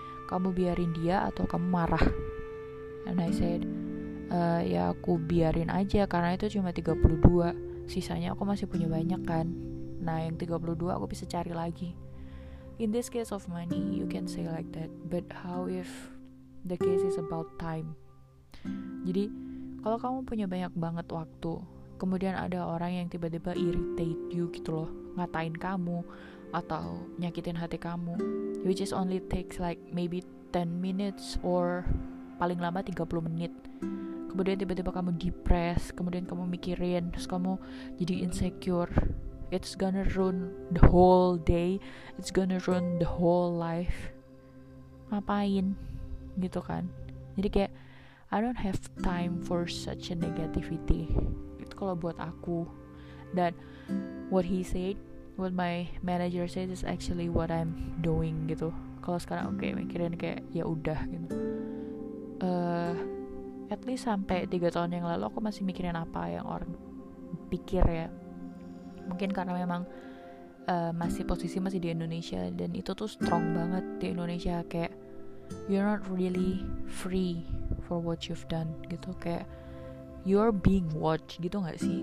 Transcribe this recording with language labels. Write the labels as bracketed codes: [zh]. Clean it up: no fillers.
[id] Kamu biarin dia atau kamu marah? [en] And I said, [id] ya aku biarin aja, karena itu cuma 32, sisanya aku masih punya banyak kan. Nah yang 32 aku bisa cari lagi. [en] In this case of money, you can say like that, but how if the case is about time? [id] Jadi kalau kamu punya banyak banget waktu, kemudian ada orang yang tiba-tiba [en] irritate you [id] gitu loh, ngatain kamu atau nyakitin hati kamu, [en] which is only takes like maybe 10 minutes or [id] paling lama 30 menit, kemudian tiba-tiba kamu depressed, kemudian kamu mikirin, terus kamu jadi insecure, [en] it's gonna ruin the whole day, it's gonna ruin the whole life. [id] Ngapain? Gitu kan. Jadi kayak, [en] I don't have time for such a negativity. [id] Itu kalau buat aku. Dan [en] what he said, what my manager said is actually what I'm doing gitu. [id] Kalau sekarang oke, mikirin kayak ya udah gitu. [en] At least [id] sampai 3 tahun yang lalu aku masih mikirin apa yang orang pikir ya. Mungkin karena memang masih di Indonesia dan itu tuh strong banget di Indonesia, kayak [en] you're not really free for what you've done [id] gitu, kayak [en] you're being watched [id] gitu enggak sih?